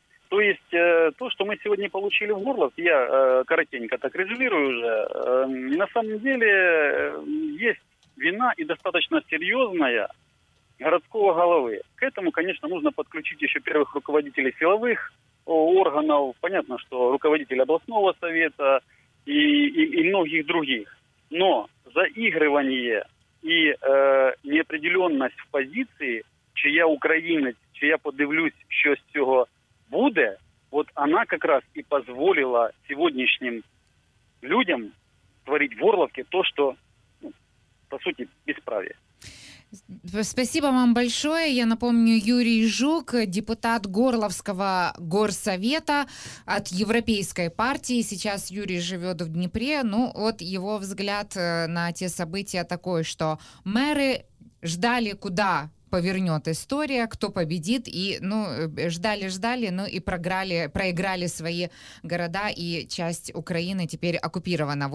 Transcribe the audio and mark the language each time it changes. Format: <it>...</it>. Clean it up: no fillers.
<ru>То есть то, что мы сегодня получили в Горловке, я коротенько так резюмирую уже, на самом деле есть вина и достаточно серьезная городского головы. К этому, конечно, нужно подключить еще первых руководителей силовых органов, понятно, что руководитель областного совета и многих других. Но заигрывание</ru> <uk>і неопределенность в позиції, чия українець, чи я подивлюсь, що з цього буде, от вона якраз і дозволила сьогоднішнім людям творити в Орловці то, що, ну, по суті, безправ'я.</uk> <ru>Спасибо вам большое. Я напомню, Юрий Жук, депутат Горловского горсовета от Европейской партии. Сейчас Юрий живет в Днепре. Ну, вот его взгляд на те события такой, что мэры ждали, куда повернет история, кто победит, и, ну, ждали, ну, и проиграли свои города, и часть Украины теперь оккупирована.</ru>